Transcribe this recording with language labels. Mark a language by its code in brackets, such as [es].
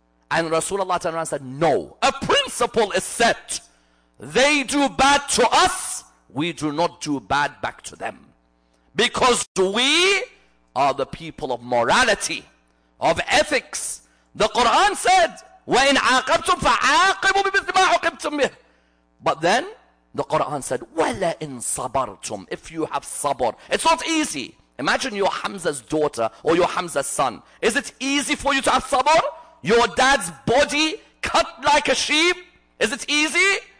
[en] And Rasulullah turned around and said, no, a principle is set. They do bad to us, we do not do bad back to them. Because we are the people of morality, of ethics. The Quran said, [ar] وَإِنْ عَاقَبْتُمْ فَعَاقِبُوا بِمِثْلِ مَا عُقِبْتُمْ بِهِ. [en] But then the Quran said, [ar] وَلَئِنْ صَبَرْتُمْ. [en] If you have sabr, it's not easy. Imagine you're Hamza's daughter or you're Hamza's son. Is it easy for you to have sabr? Your dad's body cut like a sheep? Is it easy?